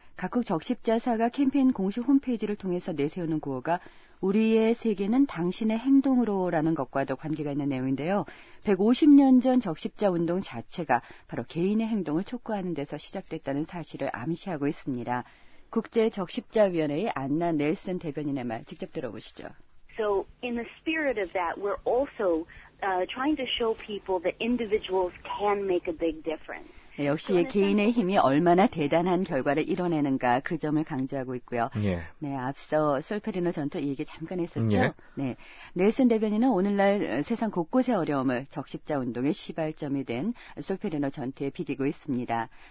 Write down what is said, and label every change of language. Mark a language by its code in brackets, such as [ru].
[ko] 각국 적십자사가 캠페인 공식 홈페이지를 통해서 내세우는 구호가 우리의 세계는 당신의 행동으로라는 것과도 관계가 있는 내용인데요. 150년 전 적십자운동 자체가 바로 개인의 행동을 촉구하는 데서 시작됐다는 사실을 암시하고 있습니다. 국제적십자위원회의 안나 넬슨 대변인의 말 직접 들어보시죠. [en] So in the spirit of that, we're also trying to show people that individuals can make a big difference. [ko] 네, 역시 개인의 힘이 얼마나 대단한 결과를 이뤄내는가 그 점을 강조하고 있고요. 예. 네, 앞서 솔페리노 전투 얘기 잠깐 했었죠. 예. 네, 넬슨 대변인은 오늘날 세상 곳곳의 어려움을 적십자 운동의 시발점이 된 솔페리노 전투에 비기고 있습니다.